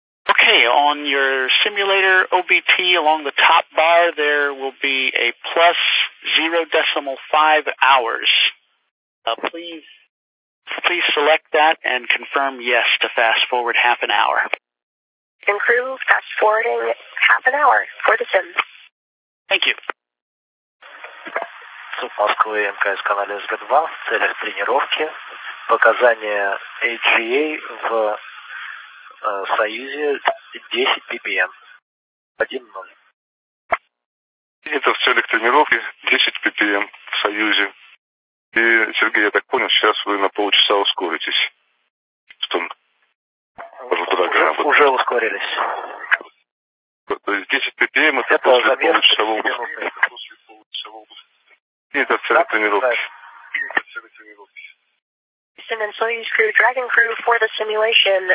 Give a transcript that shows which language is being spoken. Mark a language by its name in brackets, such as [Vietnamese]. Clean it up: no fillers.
[English] Okay, on your simulator OBT along the top bar, there will be a plus 0.5 hours. Please select that and confirm yes to fast-forward half an hour. And crew, fast-forwarding half an hour for the sim. Thank you. [Russian] Суд Москвы, МКС канале СГ2 в целях тренировки. Показания AGA в Союзе 10 ppm. 1.0. Это в целях тренировки 10 ppm в Союзе. И, Сергей, я так понял, сейчас вы на полчаса ускоритесь. Что? Уже ускорились. То есть 10 ppm это после получасового это цель тренировки. [English] Houston and Soyuz crew, Dragon crew for the simulation.